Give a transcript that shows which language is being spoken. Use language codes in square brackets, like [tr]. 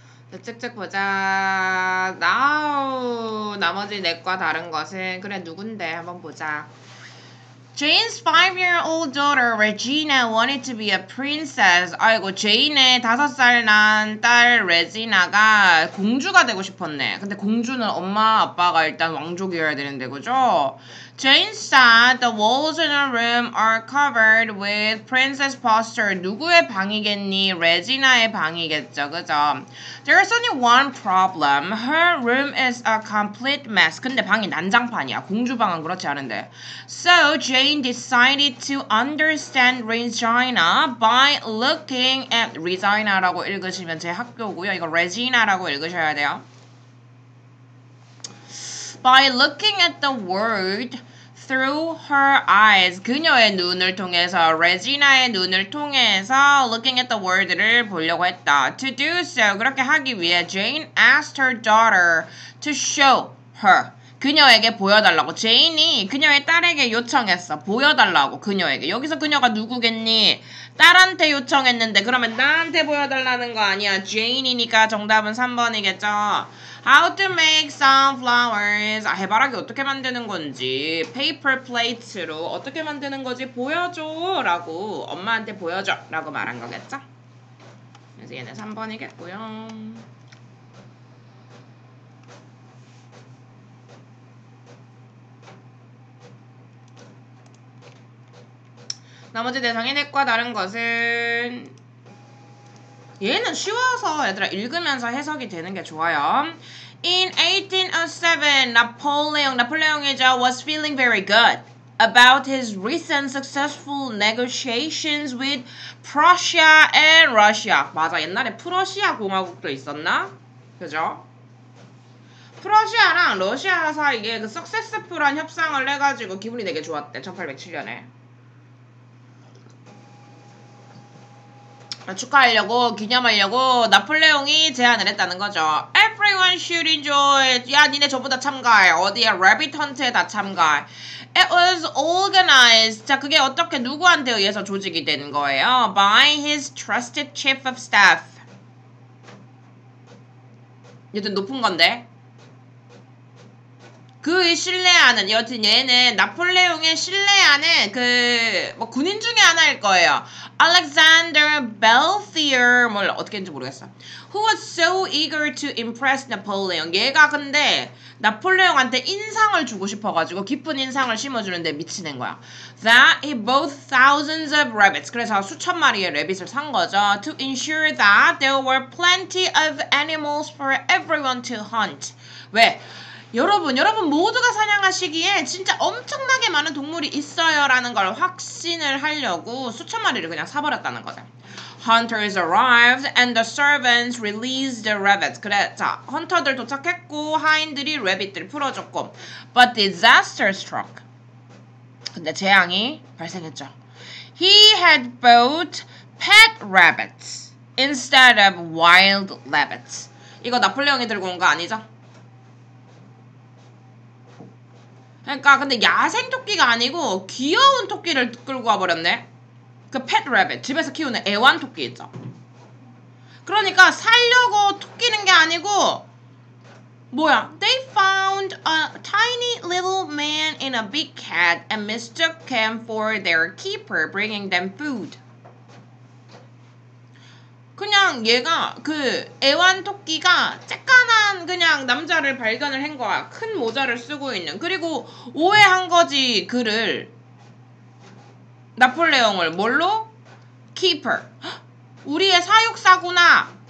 [ko] 자, 쭉쭉 보자. 나머지 내과 다른 것은 그래 누군데 한번 보자. [en] Jane's five-year-old daughter Regina wanted to be a princess. [ko] 아이고, 제인의 다섯 살 난 딸 레지나가 공주가 되고 싶었네. 근데 공주는 엄마 아빠가 일단 왕족이어야 되는데, 그죠? [en] Jane said the walls in her room are covered with princess posters. [ko] 누구의 방이겠니? 레지나의 방이겠죠, 그죠? [en] There's only one problem. Her room is a complete mess. [ko] 근데 방이 난장판이야. 공주 방은 그렇지 않은데. [en] So Jane decided to understand Regina by looking at Regina [ko] 라고 읽으시면 제 학교고요. 이거 레지나라고 읽으셔야 돼요. [en] By looking at the world through her eyes. [ko] 그녀의 눈을 통해서, 레지나의 눈을 통해서 [en] looking at the world [ko] 를 보려고 했다. [en] To do so, [ko] 그렇게 하기 위해 [en] Jane asked her daughter to show her. [ko] 그녀에게 보여달라고. 제인이 그녀의 딸에게 요청했어. 보여달라고, 그녀에게. 여기서 그녀가 누구겠니? 딸한테 요청했는데 그러면 나한테 보여달라는 거 아니야. 제인이니까 정답은 3번이겠죠. [en] How to make sunflowers. [ko] 아, 해바라기 어떻게 만드는 건지. Paper plates로 어떻게 만드는 거지? 보여줘. 라고 엄마한테 보여줘. 라고 말한 거겠죠. 그래서 얘는 3번이겠고요. 나머지 대상의 내과 다른 것은 얘는 쉬워서 얘들아 읽으면서 해석이 되는 게 좋아요. [en] In 1807, Napoleon이죠, was feeling very good about his recent successful negotiations with Prussia and Russia. [ko] 맞아, 옛날에 프러시아 공화국도 있었나? 그죠? 프러시아랑 러시아 사이에 그 successful한 협상을 해가지고 기분이 되게 좋았대, 1807년에. 축하하려고, 기념하려고 나폴레옹이 제안을 했다는 거죠. [en] Everyone should enjoy it. [ko] 야, 니네 전부 다 참가해. 어디야? 래빗 헌트에 다 참가해. [en] It was organized. [ko] 자, 그게 어떻게 누구한테 의해서 조직이 된 거예요? [en] By his trusted chief of staff. [ko] 얘도 높은 건데. 그 신뢰 안은 여튼 얘는 나폴레옹의 신뢰 안은 그 뭐 군인 중에 하나일 거예요. Alexander Belfier 뭘 어떻게 했는지 모르겠어. [en] Who was so eager to impress Napoleon? [ko] 얘가 근데 나폴레옹한테 인상을 주고 싶어가지고 깊은 인상을 심어주는데 미치는 거야. [en] That he bought thousands of rabbits. [ko] 그래서 수천 마리의 래빗을 산 거죠. [en] To ensure that there were plenty of animals for everyone to hunt. [ko] 왜? 여러분 모두가 사냥하시기에 진짜 엄청나게 많은 동물이 있어요 라는 걸 확신을 하려고 수천 마리를 그냥 사버렸다는 거죠. [en] Hunters arrived and the servants released the rabbits. [ko] 그래, 자, 헌터들 도착했고 하인들이 래빗들 풀어줬고. [en] But disaster struck. [ko] 근데 재앙이 발생했죠. [en] He had bought pet rabbits instead of wild rabbits. [ko] 이거 나폴레옹이 들고 온 거 아니죠? 그러니까 근데 야생 토끼가 아니고 귀여운 토끼를 끌고 와버렸네. 그 pet rabbit, 집에서 키우는 애완 토끼 있죠. 그러니까 살려고 토끼는 게 아니고 뭐야? [en] They found a tiny little man in a big hat and mistook him for their keeper bringing them food. [ko] 그냥 얘가 그 애완토끼가 쬐깐한 그냥 남자를 발견을 한 거야. 큰 모자를 쓰고 있는. 그리고 오해한 거지 그를. 나폴레옹을 뭘로? 키퍼. 우리의 사육사구나.